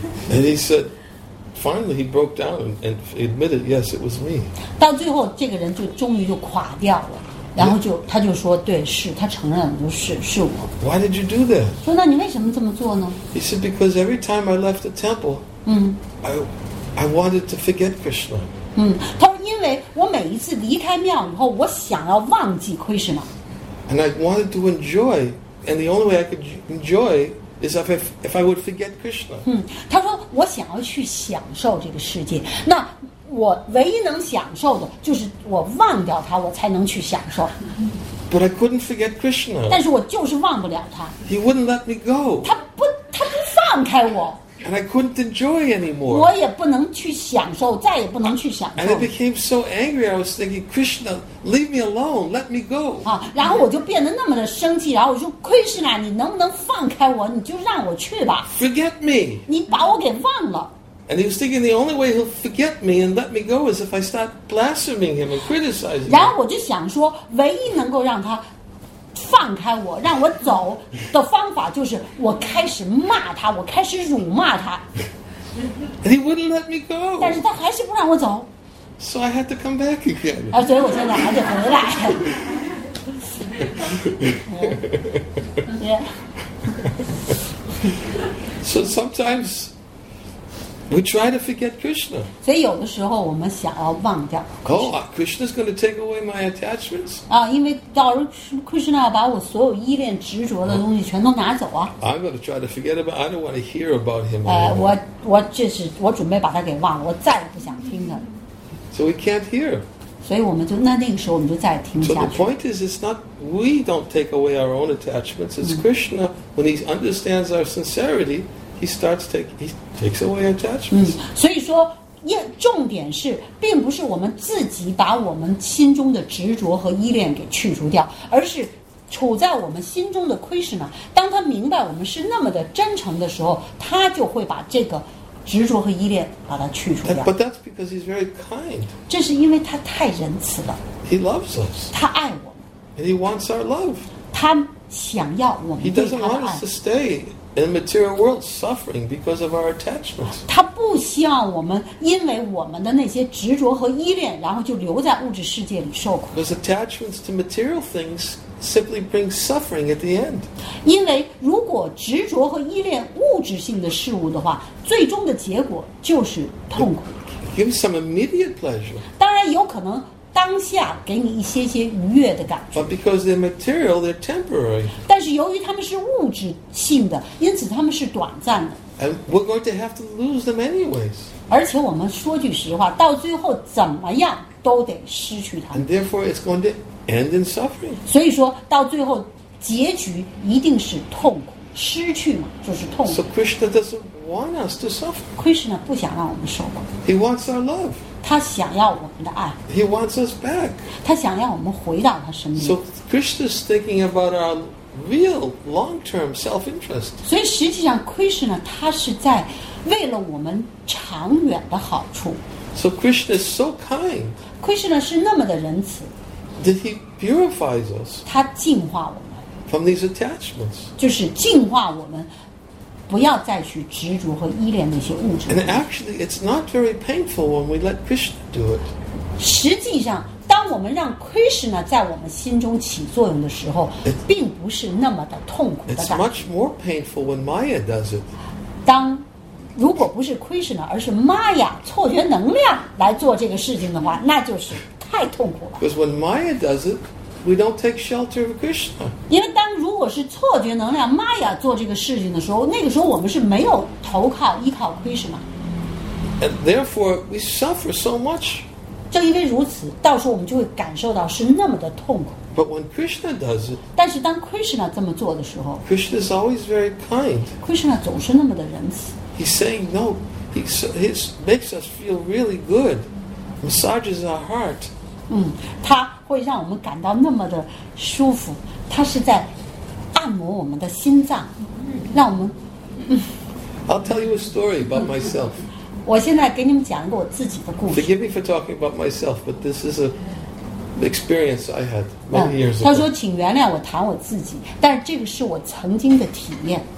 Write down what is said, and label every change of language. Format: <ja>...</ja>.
<en>？And he said, finally he broke down and admitted, yes, it was me.</en> <zh>到最后，这个人就终于就垮掉了，然后就、yeah. 他就说，对，是他承认了，是我。</zh> <en>Why did you do that?</en> <zh>说那你为什么这么做呢</zh> <en>？He said, because every time I left the temple, I wanted to forget Krishna.</en> <zh>他说因为我每一次离开庙以后，我想要忘记 Krishna.</zh> <en>And I wanted to enjoy. And the only way I could enjoy is if I would forget Krishna.</en> <zh>他说我想要去享受这个世界。那我唯一能享受的就是我忘掉他，我才能去享受。</zh> <en>But I couldn't forget Krishna.</en> <zh>但是我就是忘不了他。</zh> <en>He wouldn't let me go.</en> <zh>他不放开我。</zh> <en>And I couldn't enjoy anymore.</en> <zh>我也不能去享受，再也不能去享受。</zh> <en>And I became so angry. I was thinking, Krishna, leave me alone, let me go.</en> <zh>啊，然后我就变得那么的生气，然后我说 ，Krishna， 你能不能放开我？你就让我去吧。</zh> <en>Forget me.</en> <zh>你把我给忘了。</zh> <en>And he was thinking the only way he'll forget me and let me go is if I start blaspheming him and criticizing him.</en> <zh>然后我就想说，唯一能够让他放开我让我走的方法就是我开始骂他，我开始辱骂他。</zh> <en>And he wouldn't let me go.</en> <zh>但是他还是不让我走。</zh> <en>So I had to come back again.</en> <zh>啊，所以我现在还得回来。</zh> <en>So sometimes we try to forget Krishna.</en> <zh>所以有的时候我们想要忘掉。</zh> <en>Oh, Krishna's going to take away my attachments.</en> <zh>啊，因为到时候 Krishna 要把我所有依恋执着的东西全都拿走啊。</zh> <en>I'm going to try to forget about. I don't want to hear about him.</en> <zh>我这是我准备把他给忘了，我再也不想听他。</zh> <en>So we can't hear.</en> <zh>所以我们就那个时候我们就再也听不下去。</zh> <en>So the point is, it's not we don't take away our own attachments. It's Krishna when he understands our sincerity. He starts taking, he takes away attachments.</en> <zh>所以说重点是并不是我们自己把我们心中的执着和依恋给去除掉，而是处在我们心中的Krishna，当他明白我们是那么的真诚的时候，他就会把这个执着和依恋把它去除掉。</zh> <en>But that's because he's very kind.</en> <zh>这是因为他太仁慈了。</zh> <en>He loves us.</en> <zh>他爱我们。</zh> <en>And he wants our love.</en> <zh>他想要我们对他的爱。</zh> <en>He doesn't want us to stay. In the material world, suffering because of our attachments.</en> <zh>他不希望我们因为我们的那些执着和依恋，然后就留在物质世界里受苦。</zh> <en>Because attachments to material things simply bring suffering at the end.</en> <zh>因为如果执着和依恋物质性的事物的话，最终的结果就是痛苦。</zh> <en>Give some immediate pleasure.</en> <zh>当然有可能当下给你一些些愉悦的感觉。</zh> <en>But because they're material, they're temporary.</en> <zh>但是由于他们是物质性的，因此他们是短暂的。</zh> <en>And we're going to have to lose them anyways.</en> <zh>而且我们说句实话，到最后怎么样都得失去它。</zh> <en>And therefore, it's going to end in suffering.</en> <zh>所以说，到最后结局一定是痛苦，失去嘛就是痛苦。</zh> <en>So Krishna doesn't want us to suffer.</en> <zh>Krishna 不想让我们受苦。</zh> <en>He wants our love.</en> <zh>他想要我们的爱。</zh> <en>He wants us back.</en> <zh>他想要我们回到他身边。</zh> <en>So Krishna's thinking about our real long-term self-interest.</en> <zh>所以实际上 Krishna 他是在为了我们长远的好处。</zh> <en>So Krishna is so kind.</en> <zh>Krishna 是那么的仁慈。</zh> <en>That he purifies us.</en> <zh>他净化我们。</zh> <en>From these attachments.</en> <zh>就是净化我们。不要再去执着和依恋那些物质。</zh> <en>And actually, it's not very painful when we let Krishna do it.</en> <zh>实际上，当我们让 Krishna 在我们心中起作用的时候，并不是那么的痛苦的感觉。</zh> <en>It's much more painful when Maya does it.</en> <zh>当如果不是 Krishna， 而是 Maya 错觉能量来做这个事情的话，那就是太痛苦了。</zh> <en>Because when Maya does it. We don't take shelter of Krishna.</en> <zh>因为当如果是错觉能量 Maya 做这个事情的时候，那个时候我们是没有投靠依靠 Krishna.</zh> <en>And therefore, we suffer so much.</en> <zh>正因为如此，到时候我们就会感受到是那么的痛苦。</zh> <en>But when Krishna does it,</en> <zh>但是当 Krishna 这么做的时候</zh> <en>，Krishna is always very kind.</en> <zh>Krishna 总是那么的仁慈。</zh> <en>He's saying no. He makes us feel really good. Massages our heart.</en> <zh>他。会让我们感到那么的舒服，他是在按摩我们的心脏，让我们。</zh> <en>I'll tell you a story about myself.</en> <zh>我现在给你们讲一个我自己的故事。</zh> <en>Forgive me for talking about myself, but this is an experience I had many years ago.</en> <zh>他说：“请原谅我谈我自己，但这个是我曾经的体验。”</zh>